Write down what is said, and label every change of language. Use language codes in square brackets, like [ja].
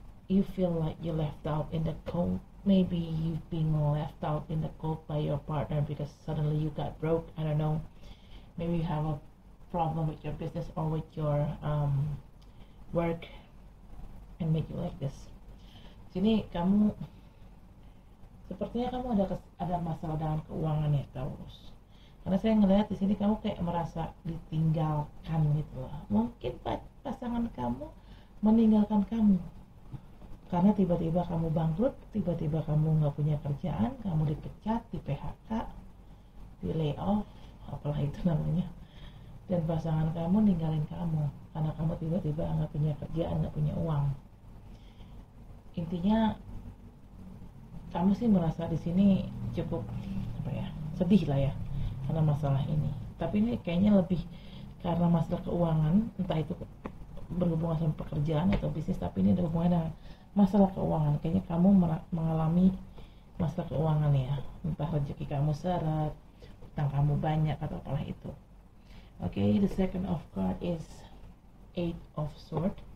[en] You feel like you're left out in the cold. Maybe you've been left out in the cold by your partner because suddenly you got broke. I don't know. Maybe you have a problem with your business or with your work and make you like this. [id] Sini kamu sepertinya kamu ada masalah dalam keuangan ya, Taurus. Karena saya ngelihat di sini kamu kayak merasa ditinggalkan gitu loh. Mungkin pasangan kamu meninggalkan kamu. Karena tiba-tiba kamu bangkrut, tiba-tiba kamu nggak punya kerjaan, kamu dipecat, di PHK, di layoff, apalah itu namanya. Dan pasangan kamu ninggalin kamu karena kamu tiba-tiba nggak punya kerjaan, nggak punya uang. Intinya kamu sih merasa di sini cukup apa ya, sedih lah ya karena masalah ini. Tapi ini kayaknya lebih karena masalah keuangan, entah itu berhubungan sama pekerjaan atau bisnis, tapi ini ada hubungannya masalah keuangan. Kayaknya kamu mengalami masalah keuangan ya, entah rezeki kamu seret, utang kamu banyak atau apalah itu. [en] Okay, the second of card is Eight of Sword.